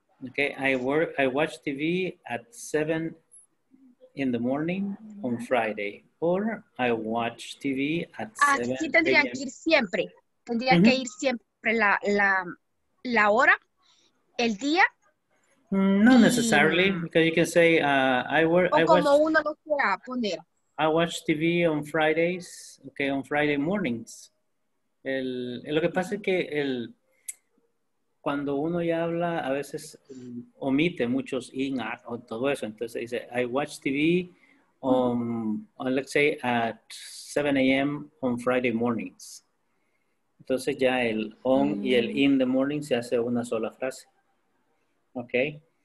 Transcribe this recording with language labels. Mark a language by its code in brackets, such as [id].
[en] Okay, I watch TV at 7 in the morning on Friday. Or I watch TV at 7 [es] aquí tendrían que ir siempre. Tendrían mm-hmm. que ir siempre la hora, el día. [en] Not necessarily, because you can say I watch TV on Fridays, okay, on Friday mornings. [es] Lo que pasa es que cuando uno ya habla, a veces omite muchos in, at, o todo eso. Entonces dice, [en] I watch TV let's say at 7 a.m. on Friday mornings. [es] Entonces ya el on y el in the morning se hace una sola frase. Okay?